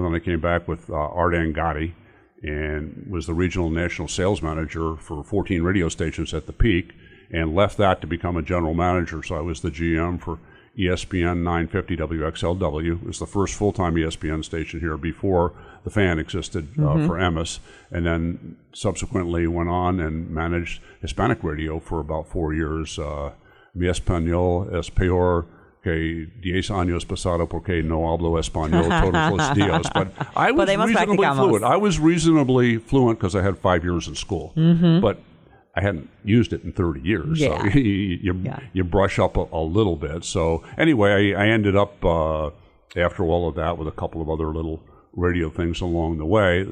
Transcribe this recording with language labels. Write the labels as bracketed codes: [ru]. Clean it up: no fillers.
[en] Then I came back with Art Angotti and was the regional and national sales manager for 14 radio stations at the peak, and left that to become a general manager. So I was the GM for ESPN 950 WXLW. It was the first full-time ESPN station here before the Fan existed for Emmis. And then subsequently went on and managed Hispanic radio for about 4 years. [es] Mi español es peor que 10 años pasado porque no hablo español todos los días. [en] But I was reasonably fluent. I was reasonably fluent because I had 5 years in school. Mm-hmm. But I hadn't used it in 30 years. Yeah. So you brush up a little bit. So anyway, I ended up after all of that with a couple of other little radio things along the way.